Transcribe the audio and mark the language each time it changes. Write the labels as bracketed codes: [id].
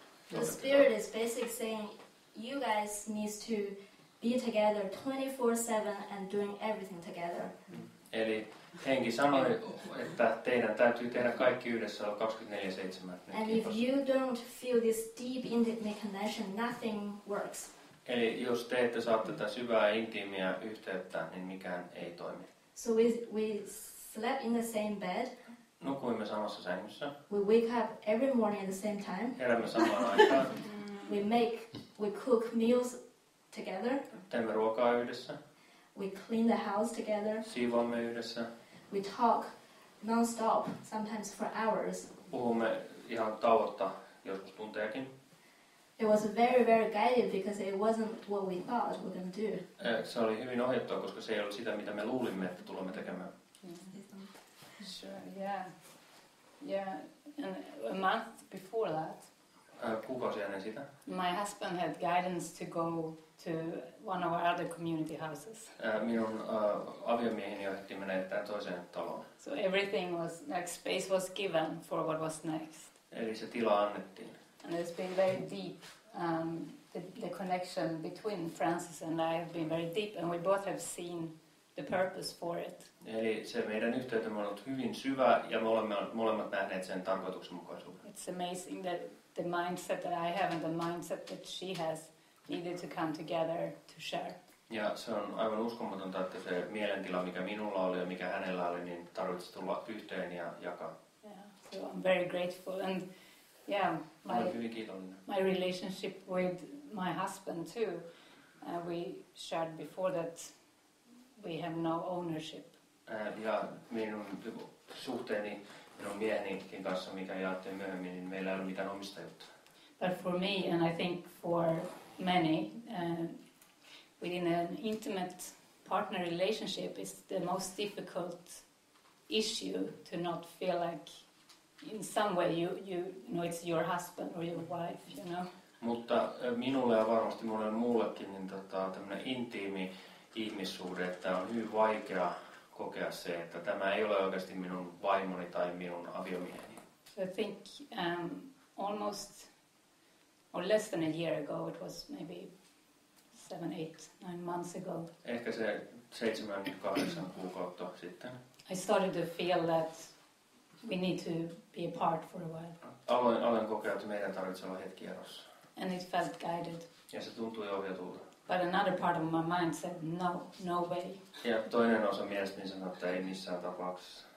[en] The spirit is basically saying you guys need to be together 24/7 and doing everything together. [fi] Eli henki sanoi, että teidän täytyy tehdä kaikki yhdessä 24/7. [en] And if you don't feel this deep intimate connection, nothing works. [fi] Eli jos te ette saa tätä syvää intiimiä yhteyttä, niin mikään ei toimi. [en] So we slept in the same bed. [fi] Nukuimme samassa sängyssä. [en] We wake up every morning at the same time. [fi] Heräämme samaan aikaan. [en] We cook meals together. [fi] Teemme ruokaa yhdessä. [en] We clean the house together. [fi] Siivoamme yhdessä. [en] we talk non-stop, sometimes for hours. [fi] Puhumme ihan tauotta, joskus tuntejakin. [en] It was very, very guided because it wasn't what we thought we were going to do. [fi] Se oli hyvin ohjattua, koska se ei ollut sitä, mitä me luulimme, että tulemme tekemään. [en] Sure, yeah. Yeah, and a month before that. [fi] Kuukausi ennen sitä. [en] My husband had guidance to go to one of our other community houses. [fi] Minun aviomieheni johti menemään toiseen taloon. [en] So everything was like space was given for what was next. [fi] Eli se tila annettiin. [en] And it's been very deep. The connection between Francis and I have been very deep, and we both have seen the purpose for it. [fi] Eli se meidän yhteytemme on ollut hyvin syvä, ja me olemme molemmat nähneet sen tarkoituksenmukaisuuden. [en] It's amazing that the mindset that I have and the mindset that she has needed to come together to share. [fi] Ja se on aivan uskomatonta, että se mielentila, mikä minulla oli ja mikä hänellä oli, niin tarvitsisi tulla yhteen ja jakaa. [en] Yeah, so I'm very grateful. And yeah, my relationship with my husband too, we shared before that we have no ownership. [fi] Ja minun suhteeni minun miehenikin kanssa, mikä jaettiin myöhemmin, niin meillä ei ole mitään omistajuutta. [en] But for me, and I think for many, within an intimate partner relationship is the most difficult issue to not feel like in some way you know it's your husband or your wife, you know. [fi] Mutta minulle ja varmasti monelle muullekin niin tämmöinen intiimi ihmissuhde, että on hyvin vaikea kokea se, että tämä ei ole oikeasti minun vaimoni tai minun aviomieheni. [en] So I think almost or less than a year ago, it was maybe 7, 8, 9 months ago. [fi] Ehkä se 7-8 kuukautta sitten. [en] I started to feel that we need to be apart for a while. [fi] Aloin kokea, että meidän tarvitsee olla hetki erossa. [en] And it felt guided. [fi] Ja se tuntui ohjatulta. [en] But another part of my mind said, no, no way. [fi] Ja toinen osa mielestäni sanoi, että ei missään tapauksessa.